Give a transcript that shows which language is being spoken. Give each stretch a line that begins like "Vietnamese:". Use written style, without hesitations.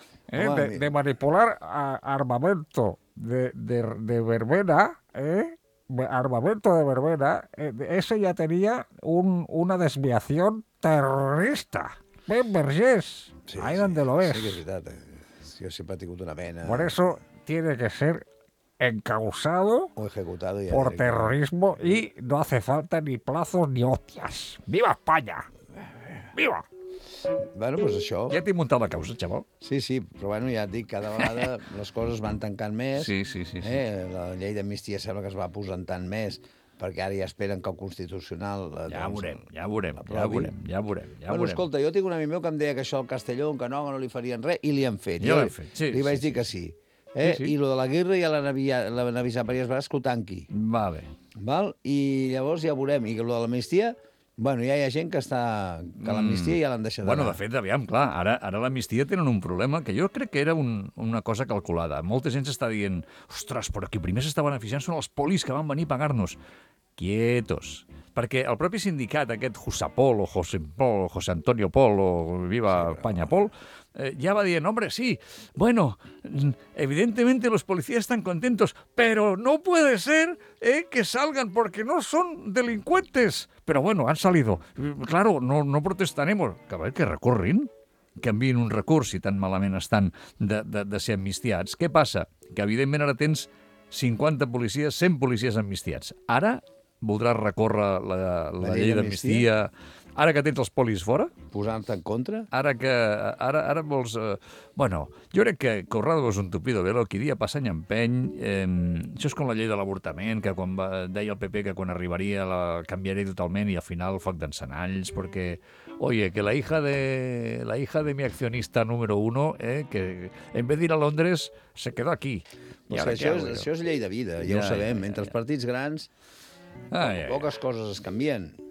Spanish: De manipular armamento de verbena, armamento de verbena, ese ya tenía una desviación terrorista. Pep Vergés. Sí, ahí donde lo ves. Sí, que es verdad. Yo siempre he tenido una pena. Por eso tiene que ser encausado o ejecutado por terrorismo y no hace falta ni plazos ni hostias. ¡Viva España! ¡Viva!
Catalan: Bueno, pues això... Ja t'he muntat la causa, xaval. Sí, sí, però bueno, ja et dic, cada vegada les coses van tancant més. Sí, sí, sí. Sí. La llei d'amnistia sembla que es va aposentant més, perquè ara ja esperen que el Constitucional... Doncs, ja veurem, ja veurem, ja veurem, ja veurem. Ja bueno, veurem. Escolta, jo tinc un amic meu que em deia que això al Castelló, que no, no li farien res, i li han fet. Ja l'han fet, sí. Li sí, vaig sí, dir que sí. Eh? Sí, sí. I lo de la guerra ja l'han avisat per i es va escoltar aquí. Va bé. Val? I llavors ja veurem. I lo de l'amnistia... Bueno, ja hi ha gent que està... Que l'amnistia ja l'han deixat d'anar. Bueno, de fet, aviam, clar, ara l'amnistia tenen un problema que jo crec que era una cosa calculada. Molta gent s'està dient, ostres, però qui primer s'està beneficiant són els polis que van venir a pagar-nos. Quietos. Perquè el propi sindicat, aquest José Pol, o José Pol, o José Antonio Pol, o Viva España Pol, ja va dient,
Spanish: hombre, sí, bueno, evidentemente los policías están contentos, pero no puede ser que salgan porque no son delincuentes. Pero bueno, han salido. Claro, no protestaremos.
Catalan: Que a ver, que recorrin, que envien un recurs i tan malament estan de ser amnistiats. Què passa? Que evidentment ara tens 50 policies, 100 policies amnistiats. Ara voldràs recórrer la llei d'amnistia... Ara que tens els polis fora... Posant-te en contra? Ara que... Ara vols... Bueno, jo crec que Corrado és un tupido velo, qui dia passa any empeny... això és com la llei de l'avortament, que quan deia el PP que quan arribaria la canviaré totalment i al final foc d'encenalls, perquè...
Spanish: Oye, que la hija de mi accionista número uno, que en vez de ir a Londres, se quedó aquí.
Catalan: I pues això és llei de vida, ja ho sabem. Ja. Entre els partits grans, poques coses es canvien.